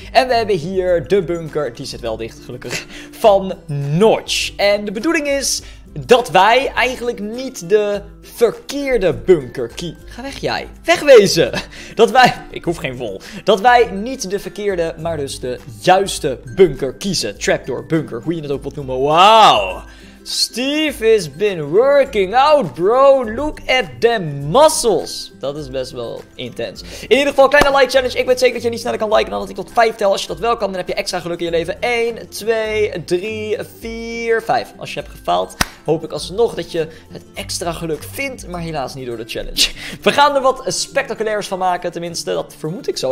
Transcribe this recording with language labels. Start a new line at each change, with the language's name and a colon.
Dutch: En we hebben hier de bunker. Die zit wel dicht, gelukkig. Van Notch. En de bedoeling is dat wij eigenlijk niet de verkeerde bunker kiezen. Ga weg jij. Wegwezen. Dat wij, ik hoef geen vol. Dat wij niet de verkeerde, maar dus de juiste bunker kiezen. Trapdoor, bunker, hoe je het ook wilt noemen. Wauw.
English: Steve has been working out, bro. Look at them muscles.
Dutch: Dat is best wel intens. In ieder geval, kleine like challenge. Ik weet zeker dat je niet sneller kan liken dan dat ik tot 5 tel. Als je dat wel kan, dan heb je extra geluk in je leven. 1, 2, 3, 4, 5. Als je hebt gefaald, hoop ik alsnog dat je het extra geluk vindt. Maar helaas niet door de challenge. We gaan er wat spectaculairs van maken, tenminste. Dat vermoed ik zo.